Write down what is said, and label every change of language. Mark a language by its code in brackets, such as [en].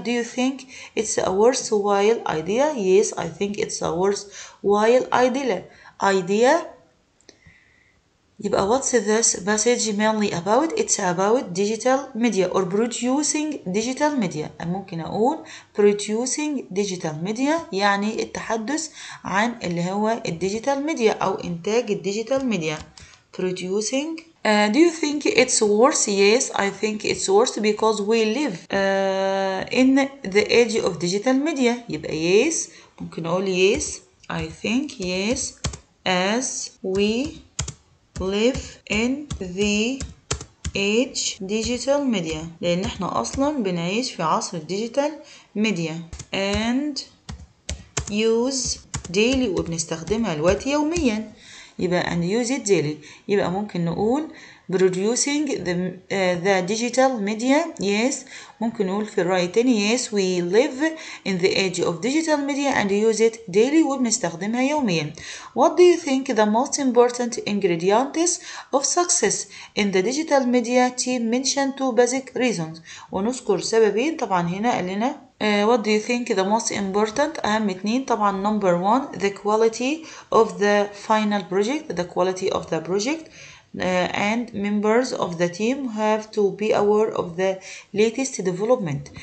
[en] Do you think it's a worthwhile idea؟ Yes, I think it's a worthwhile idea. [ar] يبقى [en] what's this passage mainly about؟ It's about digital media or producing digital media. [ar] ممكن أقول [en] producing digital media [ar] يعني التحدث عن اللي هو الديجيتال ميديا أو إنتاج الديجيتال ميديا. [en] Producing. Do you think it's worse? Yes, I think it's worse because we live in the age of digital media. [ar] يبقى [en] yes. [ar] ممكن أقول [en] yes. I think yes. As we live in the age digital media [ar] لأن احنا أصلا بنعيش في عصر الديجيتال ميديا [en] and use daily [ar] وبنستخدمها الوقت يوميا. يبقى [en] and use it daily يبقى [ar] ممكن نقول [en] producing the digital media yes. [ar] ممكن نقول في الرأي تاني [en] yes we live in the age of digital media and use it daily [ar] وبنستخدمها يوميا. [en] What do you think the most important ingredients of success in the digital media team mentioned two basic reasons [ar] ونذكر سببين. طبعا هنا قالنا [en] what do you think the most important [ar] أهم اتنين. [en] طبعا number one the quality of the final project the quality of the project and members of the team have to be aware of the latest development.